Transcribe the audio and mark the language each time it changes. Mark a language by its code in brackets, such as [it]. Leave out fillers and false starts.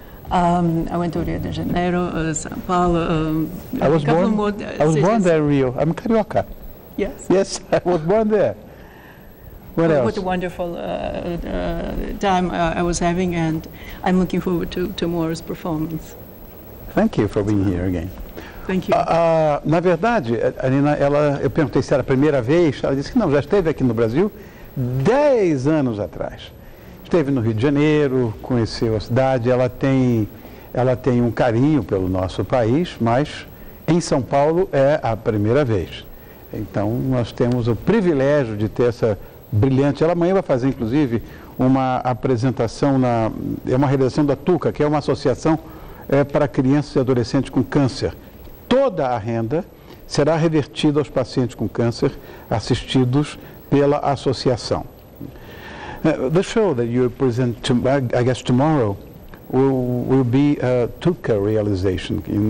[en] I went to Rio de Janeiro, São Paulo. Born there in Rio. I'm Carioca. Yes. Yes, I was born there. What else? What a wonderful time I was having, and I'm looking forward to tomorrow's performance. Thank you for being here again. Thank you. [pt] Na verdade, a Nina, eu perguntei se era a primeira vez, ela disse que não, já esteve aqui no Brasil 10 anos atrás. Esteve no Rio de Janeiro, conheceu a cidade, ela tem um carinho pelo nosso país, mas em São Paulo é a primeira vez. Então, nós temos o privilégio de ter essa brilhante. Ela amanhã vai fazer, inclusive, uma apresentação, é uma realização da TUCA, que é uma associação para crianças e adolescentes com câncer. Toda a renda será revertida aos pacientes com câncer assistidos pela associação. [en] The show that you present, tomorrow, will be a TUCA realization.